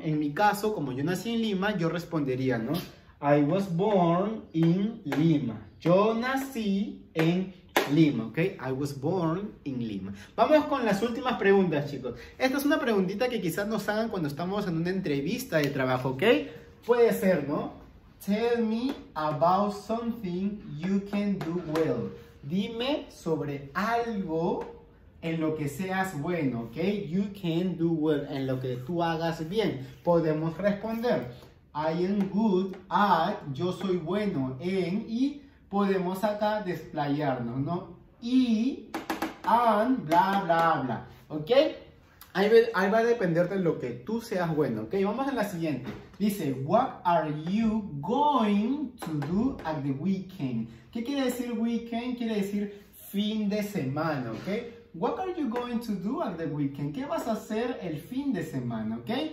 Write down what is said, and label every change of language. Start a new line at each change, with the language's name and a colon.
Spanish: En mi caso, como yo nací en Lima, yo respondería, ¿no?
English: I was born in Lima.
Spanish: Yo nací en Lima, ¿ok?
English: I was born in Lima.
Spanish: Vamos con las últimas preguntas, chicos. Esta es una preguntita que quizás nos hagan cuando estamos en una entrevista de trabajo, ¿ok? Puede ser, ¿no?
English: Tell me about something you can do well.
Spanish: Dime sobre algo en lo que seas bueno, ¿ok?
English: You can do well,
Spanish: en lo que tú hagas bien. Podemos responder,
English: I am good at,
Spanish: yo soy bueno en, y podemos acá desplayarnos, ¿no? Y, and, bla, bla, bla, ¿ok? Ahí va a depender de lo que tú seas bueno, ¿ok? Vamos a la siguiente.
English: Dice, what are you going to do at the weekend?
Spanish: ¿Qué quiere decir weekend? Quiere decir fin de semana, ¿ok?
English: What are you going to do at the weekend?
Spanish: ¿Qué vas a hacer el fin de semana, ok?